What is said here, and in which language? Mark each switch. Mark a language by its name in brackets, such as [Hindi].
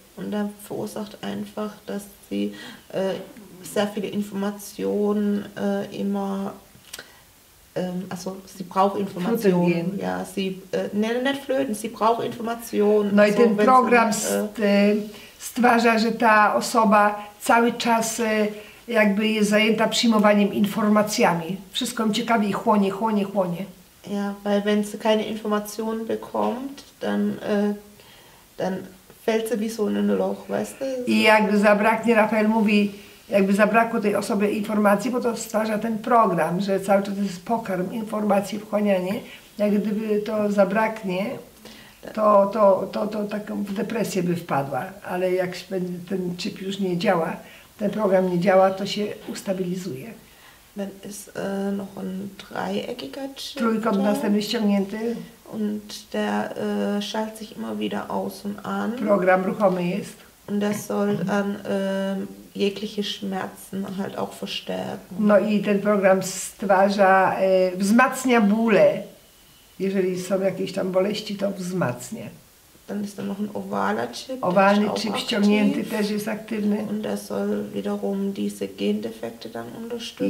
[German] Und dann verursacht einfach, dass sie sehr viele Informationen immer. Also, sie braucht Informationen. Ja, sie nicht flöten, sie braucht Informationen. [Polish] No i ten program stwarza, że ta osoba cały czas jakby jest zajęta przyjmowaniem informacjami. Wszystko im ciekawi i chłonie. [German] Ja, weil wenn sie keine Informationen bekommt, dann fällt sie wie so in ein Loch, weißt du? [Polish] I jakby zabraknie, Rafael mówi, jakby zabrakło tej osoby informacji, bo to stwarza ten program, że cały czas jest pokarm, informacji, wchłanianie. Jak gdyby to zabraknie, to taką w depresję by wpadła. Ale jak ten chip już nie działa, ten program nie działa, to się ustabilizuje. [German] Dann ist noch ein dreieckiger Chip. [Polish] Trójkąt następny ściągnięty. [German] Und der schaltet sich immer wieder aus und an. [Polish] Program ruchomy jest. [German] Und das soll dann jegliche Schmerzen halt auch verstärken. [Polish] No i ten program stwarza, wzmacnia bóle. Jeżeli są jakieś tam boleści, to wzmacnia. [German] Dann ist dann noch ein ovaler Chip. [Polish] Ovalny Chip ściągnięty też jest aktywny. [German] Und das soll wiederum diese Gendefekte dann unterstützen.